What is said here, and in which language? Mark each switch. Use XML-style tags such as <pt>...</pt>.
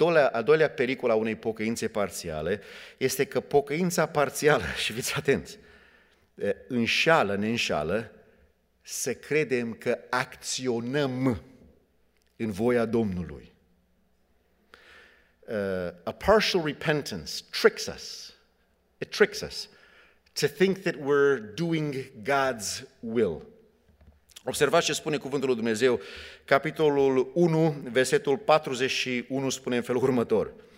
<ro>A doua pericol a unei pocăințe parțiale este că pocăința parțială, și fiți atenți, ne înșală, să credem că acționăm în voia Domnului.</ro> <en>A partial repentance tricks us. It tricks us to think that we're doing God's will.</en> <ro>Observați ce spune cuvântul lui Dumnezeu, capitolul 1, versetul 41, spune în felul următor.</ro>